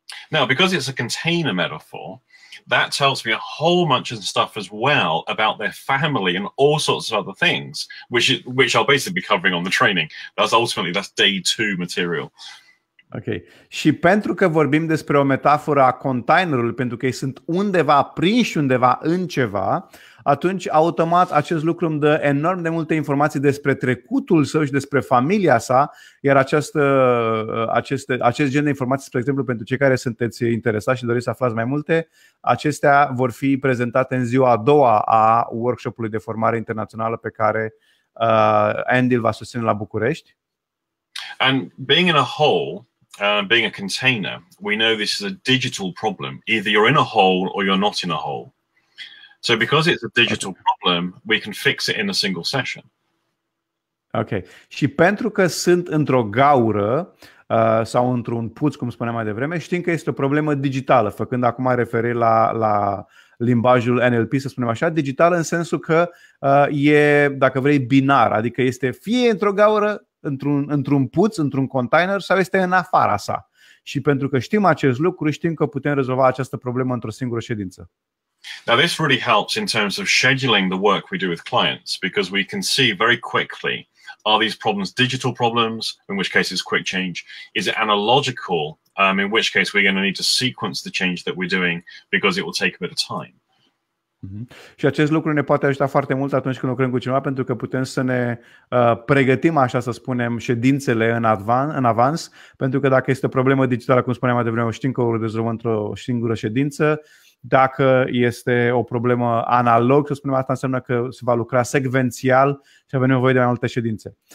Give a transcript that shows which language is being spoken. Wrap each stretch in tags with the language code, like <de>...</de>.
<en>Now, because it's a container metaphor, that tells me a whole bunch of stuff as well about their family and all sorts of other things, which I'll basically be covering on the training. That's day two material. Ok.</en> <ro>Și pentru că vorbim despre o metaforă a containerului, pentru că ei sunt undeva prinși undeva în ceva, atunci automat acest lucru îmi dă enorm de multe informații despre trecutul său și despre familia sa, iar acest gen de informații, spre exemplu, pentru cei care sunteți interesați și doriți să aflați mai multe, acestea vor fi prezentate în ziua a doua a workshopului de formare internațională pe care Andy îl va susține la București.</ro> <en>And being in a hole, being a container, we know this is a digital problem. Either you're in a hole or you're not in a hole. So because it's a digital problem, we can fix it in a single session. Ok.</en> <ro>Și pentru că sunt într-o gaură sau într-un puț, cum spuneam mai devreme, știm că este o problemă digitală, făcând acum referire la limbajul NLP, să spunem așa, digital în sensul că e, dacă vrei, binar, adică este fie într-o gaură, într-un puț, într-un container, sau este în afara sa. Și pentru că știm acest lucru, știm că putem rezolva această problemă într-o singură ședință.</ro> <en>Now this really helps in terms of scheduling the work we do with clients, because we can see very quickly, are these problems digital problems, in which case it's quick change, is it analogical, in which case we're going to need to sequence the change that we're doing, because it will take a bit of time. Mm-hmm.</en> <ro>Și acest lucru ne poate ajuta foarte mult atunci când lucrăm cu cineva, pentru că putem să ne pregătim, așa să spunem, ședințele în avans, pentru că dacă este o problemă digitală, cum spuneam mai devreme, știm că o rezolvăm într-o singură ședință. Dacă este o problemă analog, să spunem, asta înseamnă că se va lucra secvențial și avem nevoie de mai multe ședințe.</ro>